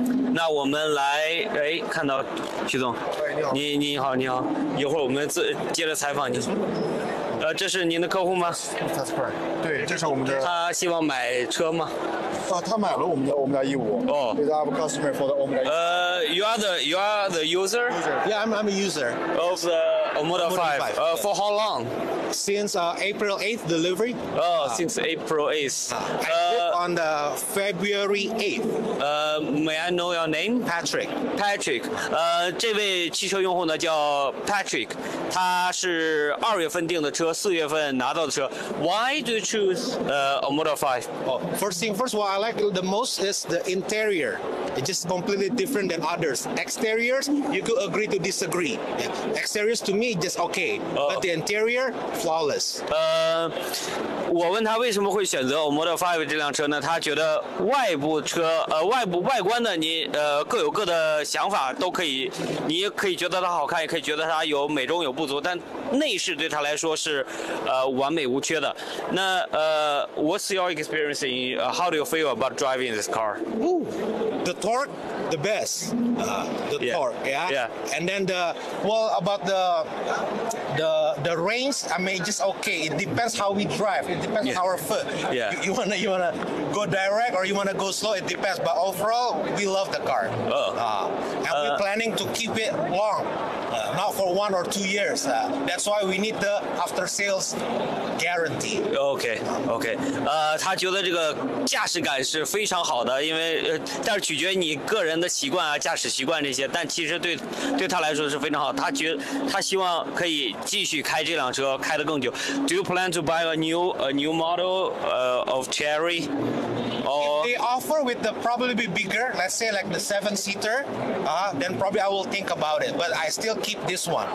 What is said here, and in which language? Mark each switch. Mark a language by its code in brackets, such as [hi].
[zh] 那我们来，看到徐总，你好，你好，你好，一会儿我们接着采访您。这是您的客户吗？ [en] That's correct. [zh] 对，这是我们的。他希望买车吗？他买了我们家 E5。哦。 [en] He's our customer for the Omega. You are the user. Yeah, I'm a user of the Omega 5. For how long? Since April 8th delivery. Oh, since April 8th. On the February 8th. May I know your name? Patrick. Patrick. [zh] 这位汽车用户呢叫 Patrick， 他是二月份订的车，四月份拿到的车。 [en] Why do you choose a Model 5? Oh, first of all, I like the most is the interior. It's just completely different than others. Exteriors, you could agree to disagree. Exteriors to me just okay, but the interior flawless. [zh] 我问他为什么会选择 Model 5这辆车呢？他觉得外部车外观的你各有各的想法都可以，你也可以觉得它好看，也可以觉得它有美中有不足，但内饰对他来说是完美无缺的。 [en] 那what's your experience in how do you feel about driving this car? Ooh, the torque the best. Torque, yeah? Yeah. And then about the range, I mean just okay. It depends how we drive. It depends on our foot. Yeah. You wanna go direct or you wanna go slow, it depends. But overall we love the car. And we're planning to keep it long. Not for 1 or 2 years. That's why we need the after sales guarantee. Okay, okay. [zh] 他觉得这个驾驶感是非常好的，因为但是取决你个人的习惯啊，驾驶习惯这些。但其实对他来说是非常好。他希望可以继续开这辆车，开得更久。 [en] Do you plan to buy a new model of Cherry? If they offer with the probably be bigger, let's say like the 7-seater, then probably I will think about it. But I still keep this one.